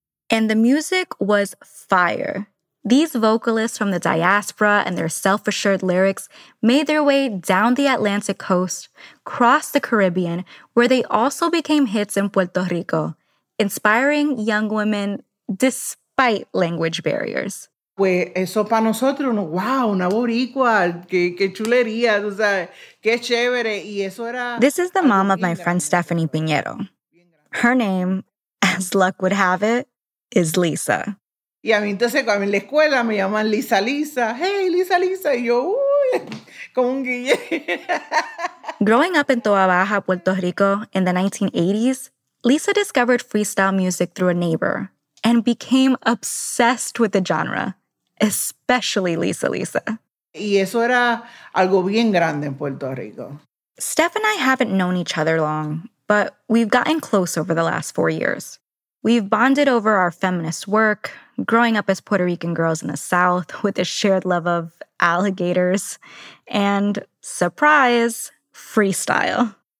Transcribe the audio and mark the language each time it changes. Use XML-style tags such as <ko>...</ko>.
<en>And the music was fire. These vocalists from the diaspora and their self-assured lyrics made their way down the Atlantic coast, crossed the Caribbean, where they also became hits in Puerto Rico, inspiring young women despite language barriers.</en> <es>Pues eso para nosotros, no, wow, una boricua, qué chulería, o sea, qué chévere. Y eso era.</es> <en>This is the mom of my friend Stephanie Piñero. Her name, as luck would have it, is Lisa.</en> <es>Y a mí entonces cuando en la escuela me llaman Lisa Lisa. Hey, Lisa Lisa. Y yo, uy, como un guille.</es> <en>Growing up in Toa Baja, Puerto Rico, in the 1980s, Lisa discovered freestyle music through a neighbor and became obsessed with the genre, especially Lisa Lisa.</en> <es>Y eso era algo bien grande en Puerto Rico.</es> <en>Steph and I haven't known each other long, but we've gotten close over the last 4 years. We've bonded over our feminist work, growing up as Puerto Rican girls in the South with a shared love of alligators, and, surprise, freestyle.</en>